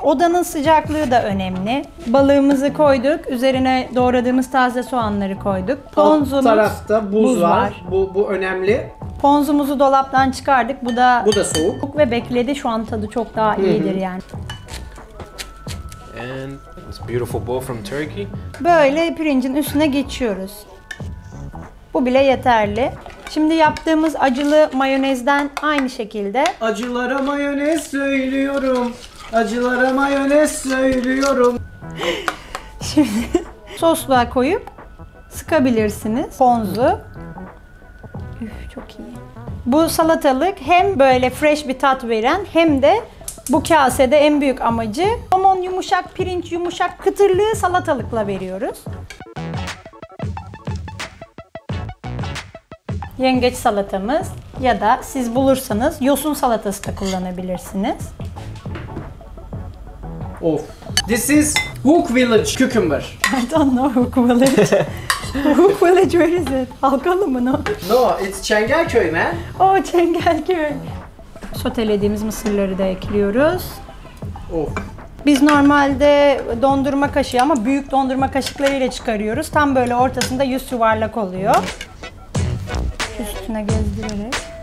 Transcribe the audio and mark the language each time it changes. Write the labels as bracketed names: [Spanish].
[Turkish] Odanın sıcaklığı da önemli. Balığımızı koyduk. Üzerine doğradığımız taze soğanları koyduk. Ponzumuz, alt tarafta buz var. Bu önemli. Ponzumuzu dolaptan çıkardık. Bu da soğuk ve bekledi. Şu an tadı çok daha iyidir yani. [English] And it's beautiful bowl from Turkey. [Turkish] Böyle pirincin üstüne geçiyoruz. Bu bile yeterli. Şimdi yaptığımız acılı mayonezden aynı şekilde. Acılara mayonez söylüyorum. Acılara mayonez söylüyorum. Şimdi sosluğa koyup sıkabilirsiniz ponzu. Üf, çok iyi. Bu salatalık hem böyle fresh bir tat veren hem de bu kasede en büyük amacı somon yumuşak, pirinç yumuşak kıtırlığı salatalıkla veriyoruz. Yengeç salatamız ya da siz bulursanız yosun salatası da kullanabilirsiniz. Of. [English] This is Hook Village cucumber. I don't know Hook Village. Hook Village where is it? [Turkish] Halkalı mı no? [English] No, it's Çengelköy man. Oh, Çengelköy. [Turkish] Sotelediğimiz mısırları da ekliyoruz. Of. Biz normalde dondurma kaşığı ama büyük dondurma kaşıklarıyla çıkarıyoruz. Tam böyle ortasında yüz yuvarlak oluyor. Üstüne gezdirerek.